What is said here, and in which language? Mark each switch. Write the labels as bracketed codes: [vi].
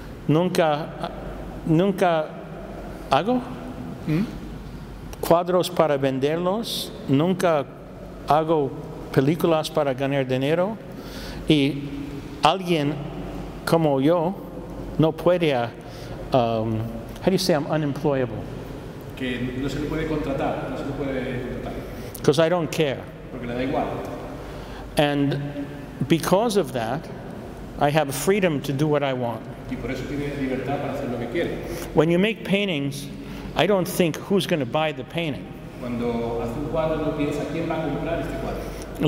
[es] Nunca hago cuadros para venderlos, nunca hago películas para ganar dinero, y alguien como yo no puede, [en] how do you say, I'm unemployable. [es] Que no se le puede contratar, no se le puede contratar. [en] Because I don't care. [es] Porque le da igual. [en] And because of that, I have freedom to do what I want. [es] Y por eso tiene libertad para hacer lo que quiere. [en] When you make paintings, I don't think who's going to buy the painting. [es] Cuando hace un cuadro, no piensa quién va a comprar este cuadro.